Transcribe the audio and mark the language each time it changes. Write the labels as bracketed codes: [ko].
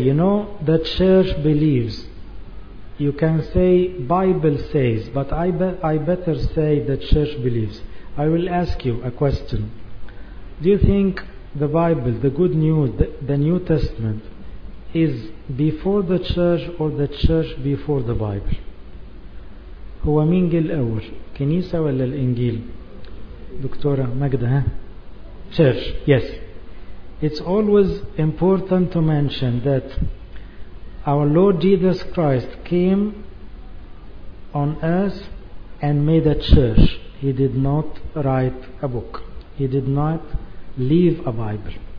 [en] You know, the church believes. You can say Bible says, but I better say the church believes. I will ask you a question. Do you think the Bible, the good news, the New Testament is before the church or the church before the Bible? [ar] هو مين جه الأول؟ كنيسة ولا الإنجيل؟ دكتورة مجدة ها؟ [en] Church, yes. It's always important to mention that Our Lord Jesus Christ came on earth and made a church. He did not write a book. He did not leave a Bible.